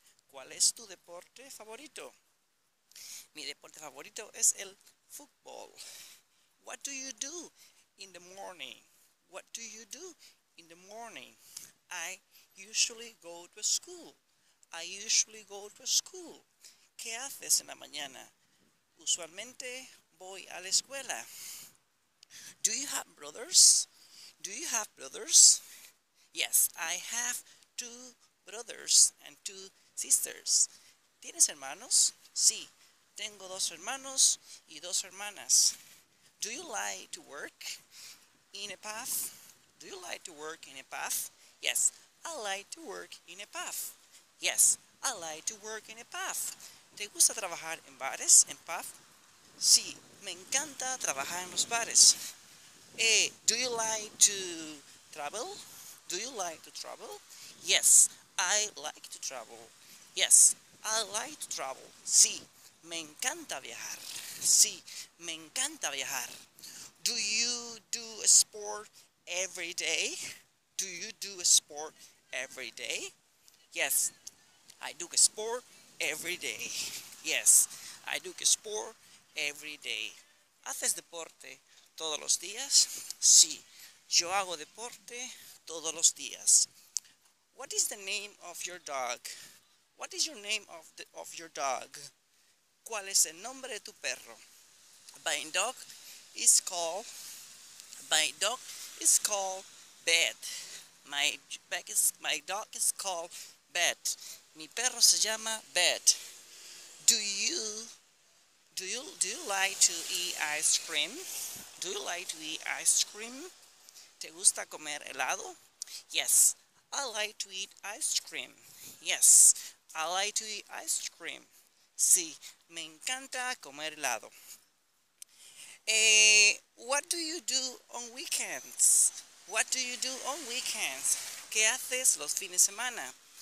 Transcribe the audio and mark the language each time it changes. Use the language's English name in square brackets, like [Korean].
[Spanish] ¿Cuál es tu deporte favorito? Mi deporte favorito es el fútbol. [English] What do you do in the morning? What do in the morning? I usually go to school. I usually go to school. [Spanish] ¿Qué haces en la mañana? Usualmente voy a la escuela. [English] Do you have brothers? Do you have brothers? Yes, I have two brothers and two sisters. [Spanish] ¿Tienes hermanos? Sí, tengo dos hermanos y dos hermanas. [English] Do you like to work in a path? Do you like to work in a path? Yes, I like to work in a path. Yes, I like to work in a path. [Spanish] ¿Te gusta trabajar en bares, en pub? Sí, me encanta trabajar en los bares. [English] Do you like to travel? Do you like to travel? Yes, I like to travel. Yes, I like to travel. [Spanish] Sí, me encanta viajar. Sí, me encanta viajar. [English] Do you do a sport every day? Do you do a sport every day? Yes, I do a sport every day. Yes, I do a sport every day. [Spanish] ¿Haces deporte todos los días? Sí, yo hago deporte todos los días. [English] What is the name of your dog? What is your name of your dog? [Spanish] ¿Cuál es el nombre de tu perro? [English] My dog is called. My dog is called Bed. My dog is called Bed. [Spanish] Mi perro se llama Bed. [English] Do you like to eat ice cream? Do you like to eat ice cream? [Spanish] ¿Te gusta comer helado? [English] Yes, I like to eat ice cream. Yes, I like to eat ice cream. [Spanish] Sí, me encanta comer helado. [English] What do you do on weekends? What do you do on weekends? [Spanish] ¿Qué haces los fines de semana?